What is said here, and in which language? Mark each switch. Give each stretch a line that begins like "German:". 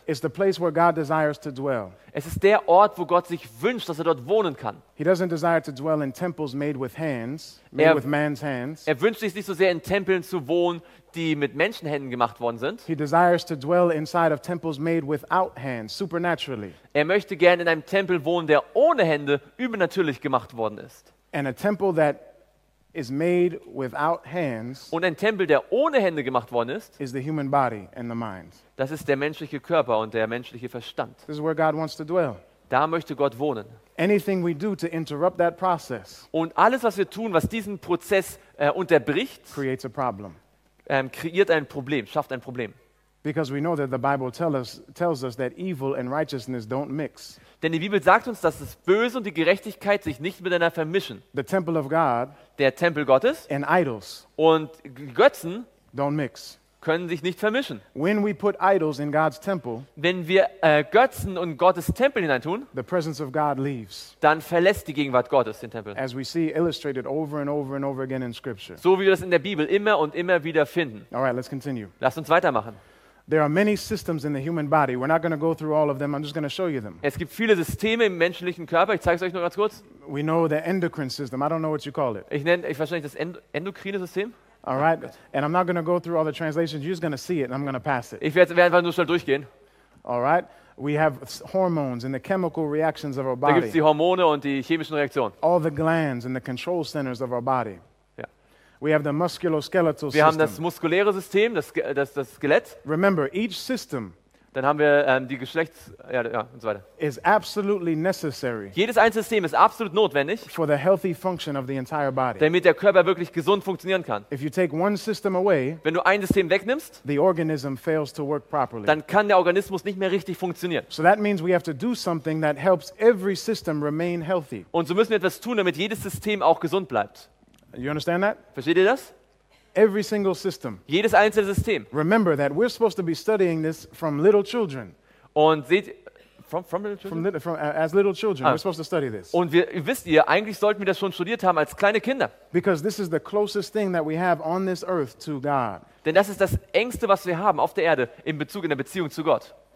English: It's the place where God desires to dwell.
German: Es ist der Ort, wo Gott sich wünscht, dass er dort wohnen kann.
English: He doesn't desire to dwell in temples made with hands, made with man's hands.
German: Er wünscht sich nicht so sehr in Tempeln zu wohnen, die mit Menschenhänden gemacht worden sind.
English: He desires to dwell inside of temples made without hands, supernaturally.
German: Er möchte gerne in einem Tempel wohnen, der ohne Hände übernatürlich gemacht worden ist.
English: And a temple that is made without hands.
German: Und ein Tempel, der ohne Hände gemacht worden ist,
English: is the human body and the mind.
German: Das ist der menschliche Körper und der menschliche Verstand.
English: This is where God wants to dwell.
German: Da möchte Gott wohnen.
English: Anything we do to interrupt that process.
German: Und alles, was wir tun, was diesen Prozess unterbricht,
English: creates a problem.
German: Kreiert ein Problem, schafft ein Problem.
English: Because we know that the Bible tells us that evil and righteousness don't mix.
German: Denn die Bibel sagt uns, dass das Böse und die Gerechtigkeit sich nicht miteinander vermischen.
English: The temple of God,
German: der Tempel Gottes,
English: and idols,
German: und Götzen
English: don't mix,
German: können sich nicht vermischen.
English: When we put idols in God's temple,
German: wenn wir Götzen und Gottes Tempel hineintun,
English: the presence of God leaves,
German: dann verlässt die Gegenwart Gottes den Tempel.
English: As we see illustrated over and over and over again in Scripture.
German: So wie wir das in der Bibel immer und immer wieder finden.
English: All right, let's continue.
German: Lasst uns weitermachen.
English: There are many systems in the human body. We're not going to go through all of them. I'm just going to show you them.
German: Es gibt viele Systeme im menschlichen Körper. Ich zeige es euch nur ganz kurz.
English: We know the endocrine system. I don't know what you call it.
German: Ich weiß nicht, das endokrine System.
English: All right. And I'm not going to go through all the translations. You're just going to see it, and I'm going to pass it.
German: Ich werde einfach nur schnell durchgehen.
English: All right. We have hormones and the chemical reactions of our body.
German: Da gibt's die Hormone und die chemischen Reaktionen.
English: All the glands and the control centers of our body. We have the musculoskeletal system.
German: Wir haben das muskuläre System, das Skelett.
English: Remember, each system.
German: Dann haben wir die Geschlechts und so weiter.
English: Is absolutely necessary.
German: Jedes einzelne System ist absolut notwendig.
English: For the healthy function of the entire body.
German: Damit der Körper wirklich gesund funktionieren kann.
English: If you take one system away,
German: wenn du ein System wegnimmst,
English: the organism fails to work properly.
German: Dann kann der Organismus nicht mehr richtig funktionieren.
English: So that means we have to do something that helps every system remain healthy.
German: Und so müssen wir etwas tun, damit jedes System auch gesund bleibt.
English: You understand that?
German: Versteht ihr das?
English: Every single system.
German: Jedes einzelne System.
English: Remember that we're supposed to be studying this from little children.
German: Und seht,
English: from little children? As little children, we're supposed to study this.
German: Und wisst ihr, eigentlich sollten wir das schon studiert haben als kleine Kinder.
English: Because this is the closest thing that we have on this earth to God.
German: Denn das ist das Engste, was wir haben auf der Erde in Bezug in der Beziehung zu Gott.